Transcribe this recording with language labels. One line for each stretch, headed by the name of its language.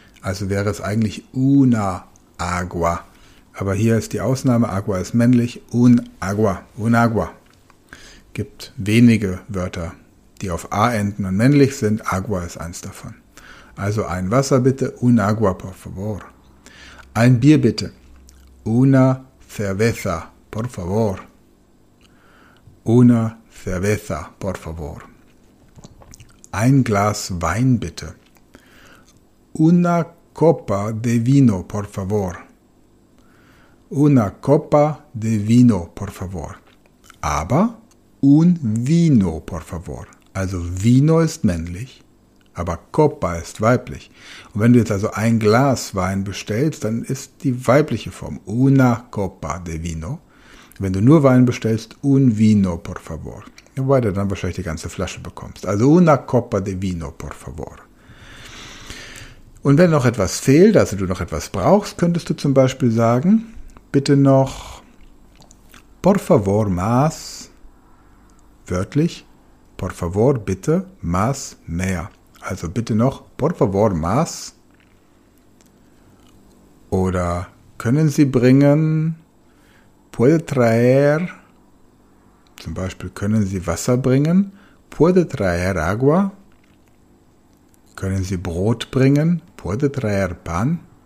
German: Also wäre es eigentlich
Spanish: una agua.
German: Aber hier ist die Ausnahme, agua ist männlich,
Spanish: un agua, un agua.
German: Gibt wenige Wörter, die auf A enden und männlich sind, agua ist eins davon. Also ein Wasser bitte,
Spanish: un agua, por favor.
German: Ein Bier bitte,
Spanish: una cerveza, por favor. Una cerveza, por favor.
German: Ein Glas Wein bitte.
Spanish: Una copa de vino, por favor. Una copa de vino, por favor. Aber un vino, por favor.
German: Also vino ist männlich, aber copa ist weiblich. Und wenn du jetzt also ein Glas Wein bestellst, dann ist die weibliche Form
Spanish: una copa de vino.
German: Wenn du nur Wein bestellst,
Spanish: un vino, por favor.
German: Wobei du dann wahrscheinlich die ganze Flasche bekommst. Also
Spanish: una copa de vino, por favor.
German: Und wenn noch etwas fehlt, also du noch etwas brauchst, könntest du zum Beispiel sagen, bitte noch,
Spanish: por favor, más,
German: wörtlich, por favor, bitte, más, mehr. Also bitte noch,
Spanish: por favor, más.
German: Oder können Sie bringen,
Spanish: puede traer,
German: zum Beispiel können Sie Wasser bringen,
Spanish: puede traer agua.
German: Können Sie Brot bringen?
Spanish: Puede traer pan?